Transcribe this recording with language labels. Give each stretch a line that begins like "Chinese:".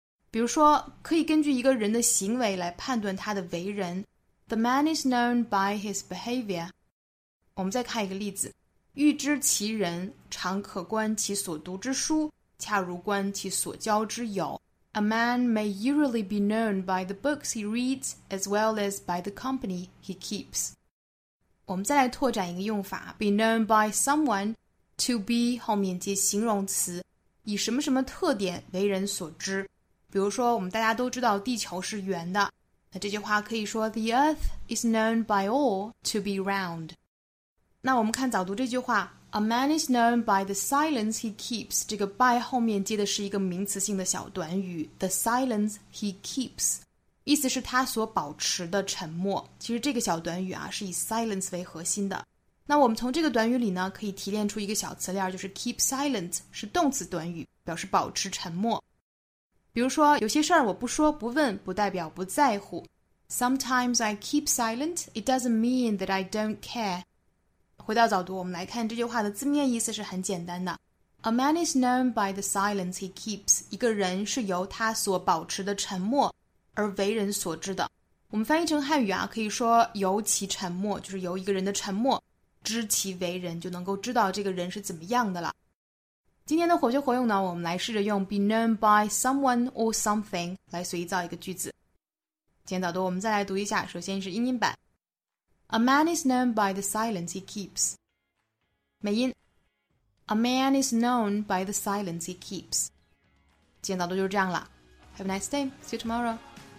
Chinese: 比如说，可以根据一个人的行为来判断他的为人。
English: The man is known by his behavior.
Chinese: 我们再看一个例子。欲知其人，常可观其所读之书，恰如观其所交之友。
English: A man may usually be known by the books he reads, as well as by the company he keeps.
Chinese: 我们再来拓展一个用法 ,
English: be known by someone,
Chinese: to be 后面接形容词，以什么什么特点为人所知。比如说，我们大家都知道地球是圆的，那这句话可以说
English: The earth is known by all to be round.
Chinese: 那我们看早读这句话
English: A man is known by the silence he keeps.
Chinese: 这个 by 后面接的是一个名词性的小短语
English: The silence he keeps.
Chinese: 意思是他所保持的沉默。其实这个小短语啊，是以 silence 为核心的。那我们从这个短语里呢，可以提炼出一个小词链，就是
English: keep silent
Chinese: 是动词短语，表示保持沉默。比如说，有些事儿我不说不问，不代表不在乎。
English: Sometimes I keep silent, it doesn't mean that I don't care.
Chinese: 回到早读，我们来看这句话的字面意思是很简单的。
English: A man is known by the silence he keeps.
Chinese: 一个人是由他所保持的沉默而为人所知的。我们翻译成汉语啊，可以说由其沉默，就是由一个人的沉默，知其为人，就能够知道这个人是怎么样的了。今天的活学活用呢，我们来试着用
English: be known by someone or something
Chinese: 来随意造一个句子。今天早读，我们再来读一下，首先是英音版。
English: A man is known by the silence he keeps.
Chinese: 美音。
English: A man is known by the silence he keeps.
Chinese: 今天早读就是这样了。
English: Have a nice day. See you tomorrow.